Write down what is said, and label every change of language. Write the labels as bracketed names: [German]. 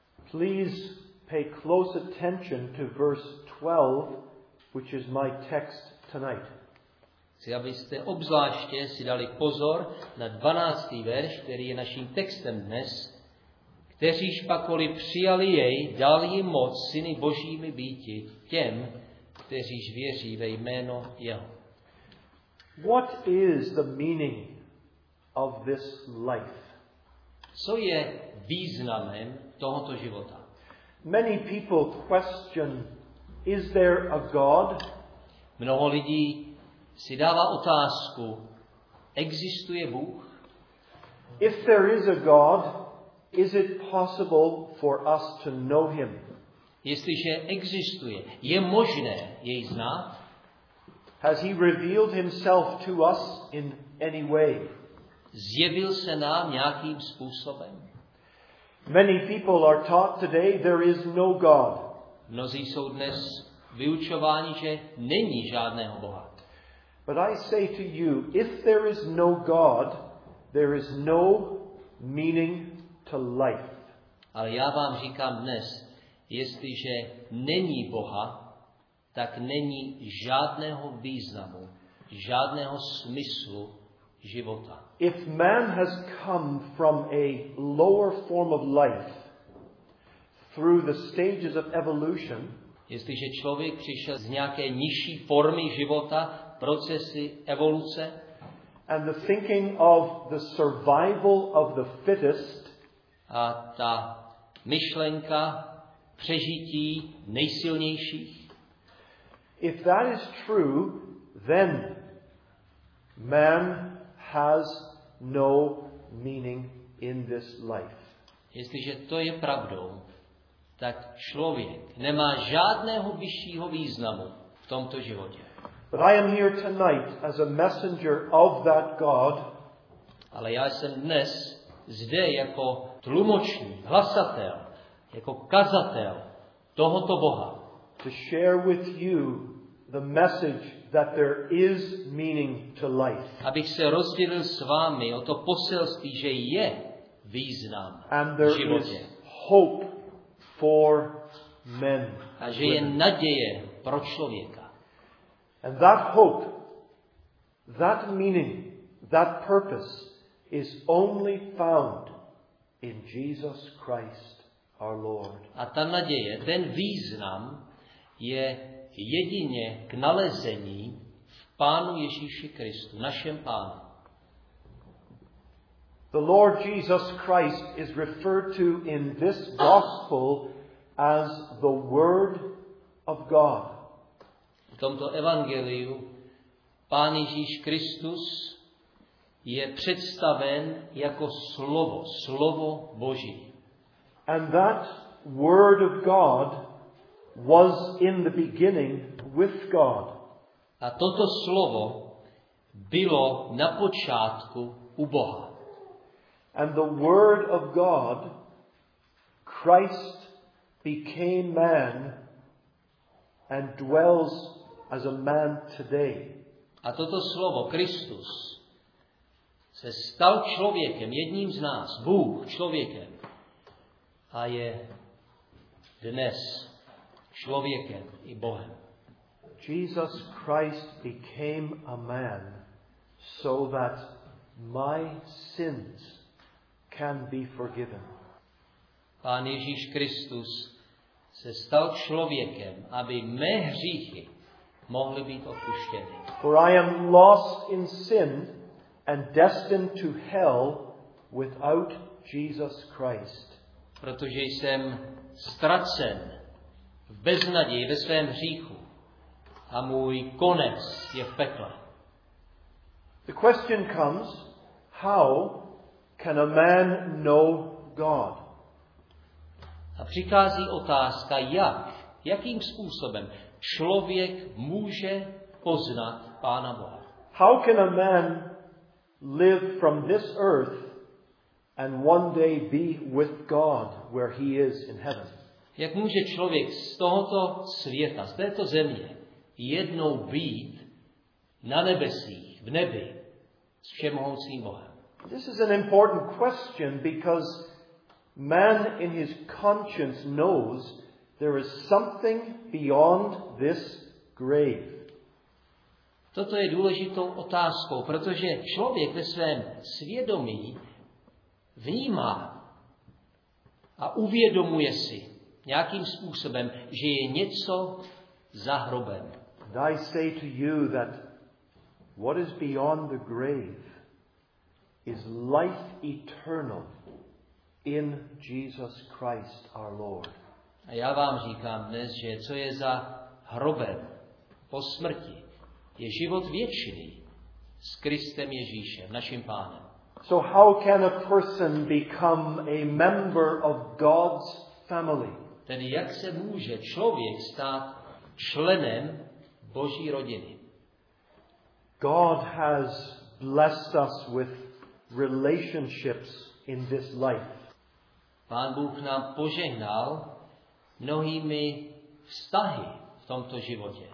[English] Please pay close attention to verse 12, which is my text tonight. [Czech] Chci, abyste obzvláště si dali pozor na 12. verš, který je naším textem dnes. Kteříž pakoliv přijali jej, dal jim moc syny božími býti těm, kteříž věří ve jméno jeho. [English] What is the meaning of this life? [Czech] Co je významem tohoto života? [English] Many people question, is there a God? [Czech] Mnoho lidí si dává otázku, existuje Bůh? [English] If there is a God, is it possible for us to know him? [Czech] Jestliže existuje, je možné jej znát? [English] Has he revealed himself to us in any way? [Czech] Zjevil se nám nějakým způsobem? [English] Many people are taught today there is no God. [Czech] Mnozí jsou dnes vyučováni, že není žádného Boha. [English] But I say to you, if there is no God, there is no meaning to life. [Czech] Ale já vám říkám dnes, jestliže není Boha, tak není žádného významu, žádného smyslu života. [English] If man has come from a lower form of life through the stages of evolution, [Czech] jestliže člověk přišel z nějaké nižší formy života, procesy evoluce, [English] and the thinking of the survival of the fittest, [Czech] a ta myšlenka přežití nejsilnějších, [English] if that is true, then man has no meaning in this life. [Czech] Jestliže to je pravdou, tak člověk nemá žádného vyššího významu v tomto životě. [English] But I am here tonight as a messenger of that God. [Czech] Ale já jsem dnes zde jako tlumočník, hlasatel, jako kazatel tohoto Boha. [English] To share with you the message that there is meaning to life. [Czech] Abych se rozdělil s vámi o to poselství, že je význam v životě. [English] And there is hope for men. [Czech] A že je naděje pro člověka. [English] And that hope, that meaning, that purpose is only found in Jesus Christ our Lord. [Czech] A ta naděje, ten význam je jedině k nalezení v Pánu Ježíši Kristu, našem Pánu. [English] The Lord Jesus Christ is referred to in this gospel as the Word of God. [Czech] V tomto evangeliu Pán Ježíš Kristus je představen jako slovo, slovo Boží. [English] And that Word of God was in the beginning with God. [Czech] A toto slovo bylo na počátku u Boha. [English] And the Word of God, Christ became man and dwells as a man today. [Czech] A toto slovo Kristus se stal člověkem, jedním z nás, Bůh člověkem. A je dnes člověkem i Bohem. [English] Jesus Christ became a man so that my sins can be forgiven. [Czech] Pán Ježíš Kristus se stal člověkem, aby mé hříchy mohly být odpuštěny. [English] For I am lost in sin and destined to hell without Jesus Christ. [Czech] Protože jsem ztracen v beznaději ve svém hříchu a můj konec je v pekle. [English] The question comes, how can a man know God? [Czech] A přichází otázka, jakým způsobem člověk může poznat Pána Boha. [English] How can a man live from this earth and one day be with God where he is in heaven? [Czech] Jak může člověk z tohoto světa, z této země, jednou být na nebesích, v nebi, s všemohoucím Bohem? [English] This is an important question because man in his conscience knows there is something beyond this grave. [Czech] Toto je důležitou otázkou, protože člověk ve svém svědomí vnímá a uvědomuje si nějakým způsobem, že je něco za hrobem. [English] And I say to you that what is beyond the grave is life eternal in Jesus Christ our Lord. [Czech] A já vám říkám dnes, že co je za hrobem po smrti, je život věčný s Kristem Ježíšem, naším Pánem. [English] So how can a person become a member of God's family? [Czech] Tedy jak se může člověk stát členem Boží rodiny? [English] God has blessed us with relationships in this life. [Czech] Pán Bůh nám požehnal mnohými vztahy v tomto životě.